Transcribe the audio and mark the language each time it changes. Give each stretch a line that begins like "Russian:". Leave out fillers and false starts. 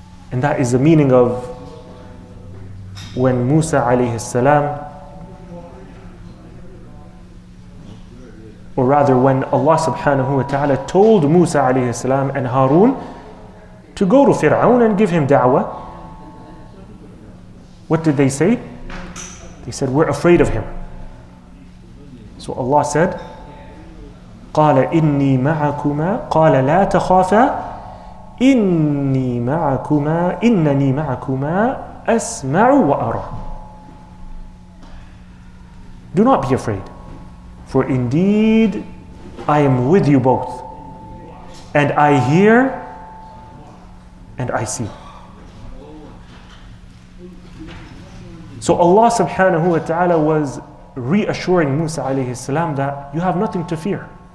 English: And that is the meaning of when Musa alayhi salam, or rather when Allah subhanahu wa ta'ala told Musa alayhi salam and Harun to go to Fir'aun and give him da'wah. What did they say? They said, we're afraid of him. So Allah said,
Arabic: قَالَ إِنِّي مَعَكُمَا قَالَ لَا تَخَافَا إِنِّي مَعَكُمَا إِنَّنِي مَعَكُمَا أَسْمَعُ وَأَرَى.
English: Do not be afraid, for indeed I am with you both, and I hear and I see. So Allah subhanahu wa ta'ala was reassuring Musa alayhi salam that you have nothing to fear.